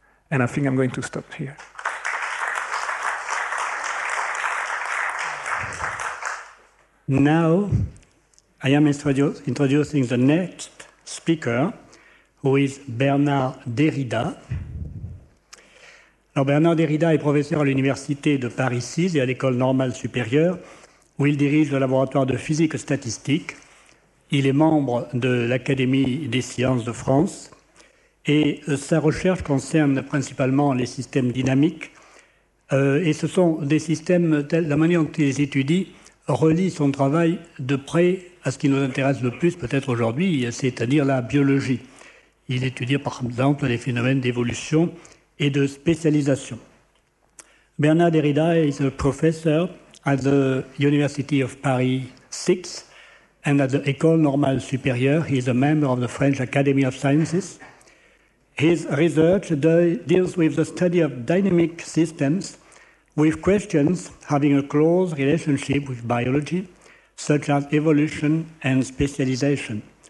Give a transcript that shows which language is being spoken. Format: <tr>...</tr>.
<en>And I think I'm going to stop here. Now, I am introducing the next speaker, who is Bernard Derrida.</en> <fr>Alors Bernard Derrida est professeur à l'Université de Paris 6 et à l'École normale supérieure, où il dirige le laboratoire de physique statistique. Il est membre de l'Académie des sciences de France. Et sa recherche concerne principalement les systèmes dynamiques. Et ce sont des systèmes, la manière dont il les étudie, relie son travail de près à ce qui nous intéresse le plus peut-être aujourd'hui, c'est-à-dire la biologie. Il étudie par exemple les phénomènes d'évolution et de spécialisation.</fr> <en>Bernard Derrida is a professor at the University of Paris 6 and at the École Normale Supérieure. He is a member of the French Academy of Sciences. His research deals with the study of dynamic systems with questions having a close relationship with biology, such as evolution and specialization.</en>